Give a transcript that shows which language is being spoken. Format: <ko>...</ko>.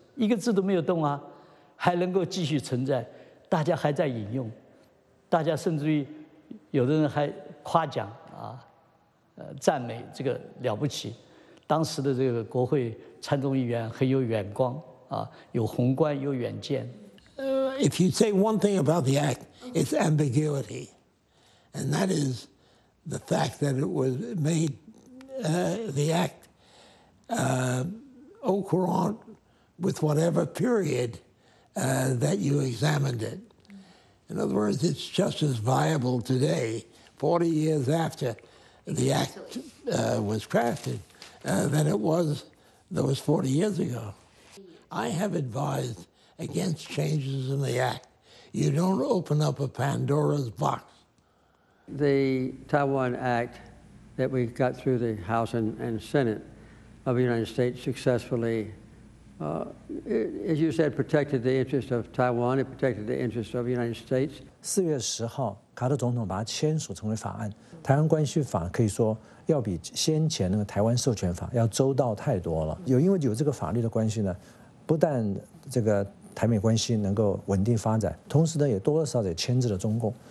<zh>一个字都没有动啊，还能够继续存在，大家还在引用，大家甚至于有的人还夸奖啊，赞美这个了不起。当时的这个国会参众议员很有眼光啊，有宏观有远见。</zh> <en>If you say one thing about the act, it's ambiguity. And that is the fact that it was made, the act, au courant with whatever period that you examined it. In other words, it's just as viable today, 40 years after the act was crafted, than it was those 40 years ago. I have advised against changes in the act. You don't open up a Pandora's box. The Taiwan Act that we got through the House and Senate of the United States successfully, as you said, protected the interest of Taiwan, it protected the interest of the United States.</en> <zh>4月10号，卡特总统把它签署成为法案，台湾关系法可以说要比先前那个台湾授权法要周到太多了。有因为有这个法律的关系呢，不但这个台美关系能够稳定发展，同时呢也多多少少也牵制了中共。</zh>